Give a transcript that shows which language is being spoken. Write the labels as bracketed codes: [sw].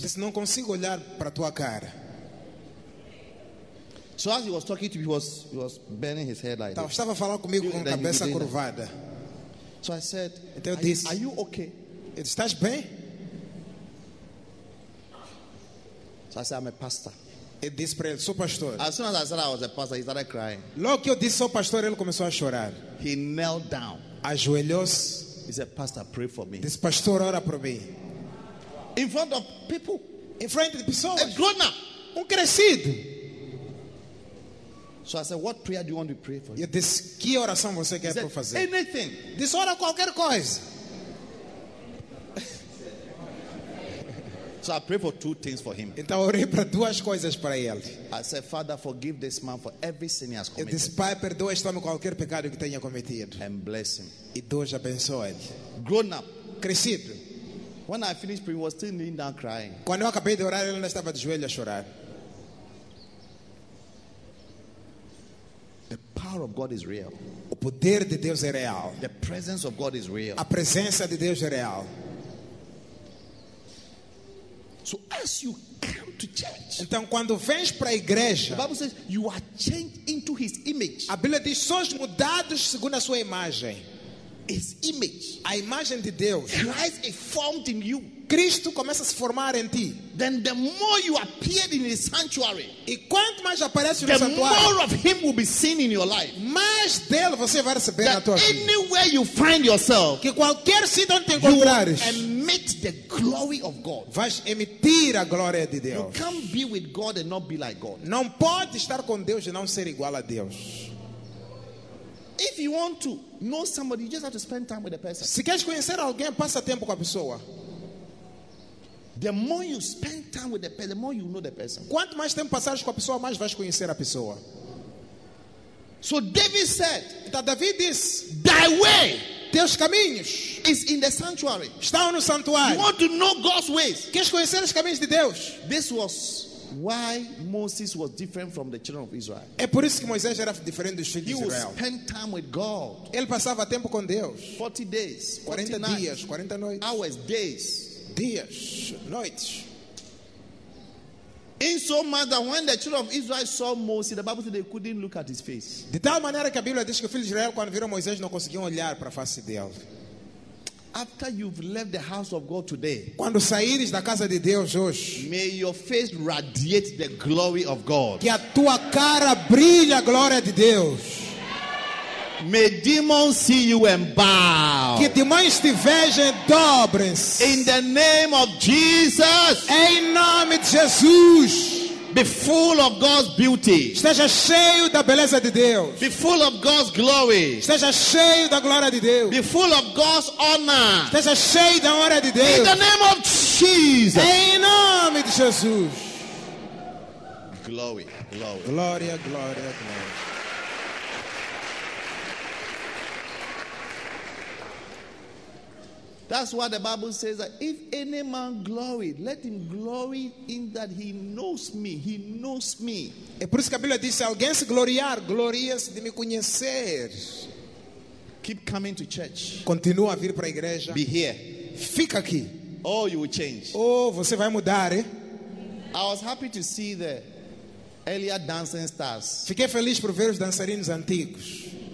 [pt] Disse, não consigo olhar para tua cara. [en] So as he was talking to me, he was bending his head like that. [pt] Estava a falar comigo com a cabeça curvada. [en] So I said, [pt] então eu disse, [en] "Are you okay? [pt] Estás bem?" [en] So I said, "I'm a pastor." [pt] Ele disse para ele, sou pastor. [en] As soon as I said I was a pastor, he started crying. [pt] Logo que eu disse sou pastor, ele começou a chorar. [en] He knelt down. [pt] Ajoelhou-se. [en] He said, "Pastor, pray for me." [pt] Disse, pastor, ora por mim. [en] In front of people, in front of the pessoas. A grown up, [pt] um crescido. [en] So I said, "What prayer do you want to pray for?" [pt] Ele disse, que oração você quer para fazer? [en] Anything. [pt] Disse, ora qualquer coisa. [en] So I pray for two things for him. [pt] Então orei para duas coisas para ele. [en] I said, "Father, forgive this man for every sin he has committed." [pt] Disse, Pai, perdoa este homem qualquer pecado que tenha cometido. [en] And bless him. [pt] E Deus abençoe ele. [en] Grown up, [pt] crescido. [en] When I finished praying, he was still kneeling down crying. [pt] Quando eu acabei de orar, ele ainda estava de joelho a chorar. [en] The power of God is real. [pt] O poder de Deus é real. [en] The presence of God is real. [pt] A presença de Deus é real. [en] So as you come to church, [pt] então quando vens para a igreja, [en] the Bible says, you are changed into his image. [pt] A Bíblia diz, sois mudados segundo a sua imagem. [en] His image, [pt] a imagem de Deus. [en] Christ is formed in you. [pt] Cristo começa a se formar em ti. [en] Then the more you appear in his sanctuary, [pt] e quanto mais aparece [en] the [pt] no santuário, [en] more of him will be seen in your life. [pt] Mais dele você vai receber [en] that [pt] na tua [en] anywhere [pt] vida. [en] You find yourself, [pt] que qualquer sítio onde te encontrares, [en] you emit the glory of God. [pt] Vais emitir a glória de Deus. [en] You can't be with God and not be like God. [pt] Não pode estar com Deus e não ser igual a Deus. [en] If you want to know somebody, you just have to spend time with the person. [pt] Se queres conhecer alguém, passa tempo com a pessoa. [en] The more you spend time with the person, the more you know the person. [pt] Quanto mais tempo passares com a pessoa, mais vais conhecer a pessoa. [en] So David said, that David is thy way, [pt] teus caminhos, [en] is in the sanctuary. [pt] Está no santuário. [en] You want to know God's ways? [pt] Queres conhecer os caminhos de Deus? [en] This was why Moses was different from the children of Israel. [pt] É por isso que Moisés era diferente dos filhos de Israel. [en] He would spend time with God. [pt] Ele passava tempo com Deus. [en] 40 days, 40 [pt] 40 dias, 40 noites. [en] Hours, days. [pt] Dias, noites. [en] In so much that when the children of Israel saw Moses, the Bible said they couldn't look at his face. [pt] De tal maneira que a Bíblia diz que os filhos de Israel quando viram Moisés não conseguiam olhar para a face dele. [en] After you've left the house of God today, [pt] quando saíres da casa de Deus hoje, [en] may your face radiate the glory of God. [pt] Que a tua cara brilhe a glória de Deus. [en] May demons see you and bow. [pt] Que demônios te vejam dobrem-se. [en] In the name of Jesus. [pt] Em nome de Jesus. [en] Be full of God's beauty. [pt] Esteja cheio da beleza de Deus. [en] Be full of God's glory. [pt] Esteja cheio da glória de Deus. [en] Be full of God's honor. [pt] Esteja cheio da honra de Deus. [en] In the name of Jesus. [pt] Em nome de Jesus. [en] Glory, glory. [pt] Glória, glória, glória. [en] That's what the Bible says, that if any man glory, let him glory in that he knows me. He knows me. [pt] É por isso que a Bíblia diz, alguém se gloriar, glorie-se de me conhecer. [en] Keep coming to church. [pt] Continua a vir para a igreja. [en] Be here. [pt] Fica aqui. [en] Oh, you will change. [pt] Oh, você vai mudar, eh? [en] I was happy to see the earlier dancing stars. [pt] Fiquei feliz por ver os dançarinos antigos.